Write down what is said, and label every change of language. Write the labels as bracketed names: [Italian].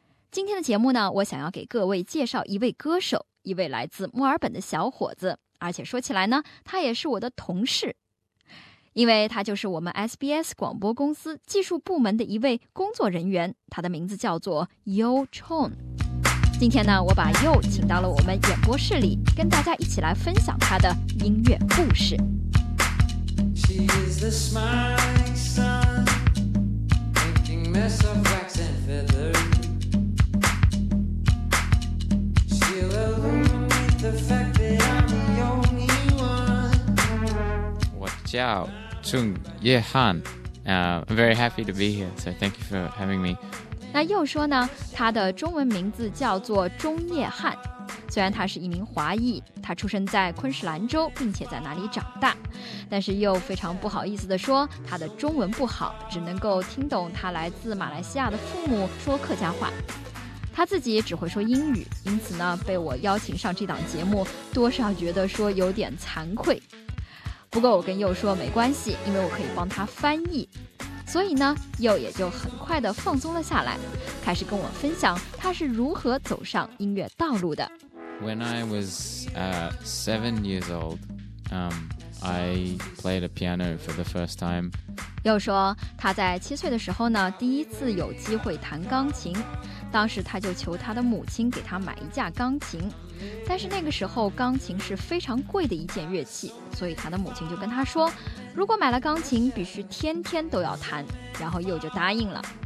[Chinese] 今天的节目呢，我想要给各位介绍一位歌手，一位来自墨尔本的小伙子，而且说起来呢，他也是我的同事，因为他就是我们 SBS 广播公司技术部门的一位工作人员，他的名字叫做 Yo Chong。今天呢，我把 Yo 请到了我们演播室里，跟大家一起来分享他的音乐故事。 [English] She is the smiling sun, making mess of wax and feather. She'll illuminate the fact that I'm the only one. [Chinese] 我叫郑叶翰， [English] I'm very happy to be here, so thank you for having me. [Chinese] 那又说呢，他的中文名字叫做钟叶翰，虽然他是一名华裔，他出生在昆士兰州，并且在那里长大，但是又非常不好意思地说他的中文不好，只能够听懂他来自马来西亚的父母说客家话，他自己只会说英语，因此呢，被我邀请上这档节目，多少觉得说有点惭愧。不过我跟又说没关系，因为我可以帮他翻译，所以呢，又也就很快地放松了下来，开始跟我分享他是如何走上音乐道路的。 [English] When I was seven years old, I played a piano for the first time. [Chinese] 又说他在七岁的时候呢，第一次有机会弹钢琴，当时他就求他的母亲给他买一架钢琴，但是那个时候钢琴是非常贵的一件乐器，所以他的母亲就跟他说，如果买了钢琴必须天天都要弹，然后又就答应了。